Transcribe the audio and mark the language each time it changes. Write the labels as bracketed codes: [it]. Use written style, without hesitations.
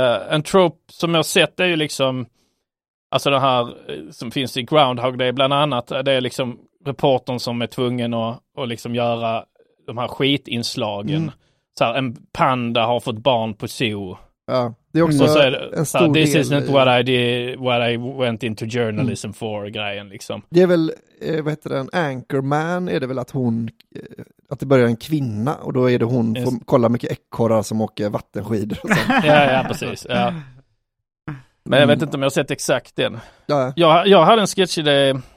[sv] En trope som jag har sett är ju liksom, alltså det här som finns i Groundhog Day bland annat, det är liksom reportern som är tvungen att liksom göra de här skitinslagen. Så här, en panda har fått barn på zoo. Ja, det är också så är det, en stor [en] this [sv] del. [en] This isn't what I did, what I went into journalism for, [sv] grejen liksom. Det är väl, vad heter den, Anchorman är det väl att hon, att det börjar en kvinna och då är det hon får kolla mycket äckorrar som åker vattenskidor. Ja, precis. Ja. Men jag vet inte om jag har sett exakt den. Jag hade en sketchidé.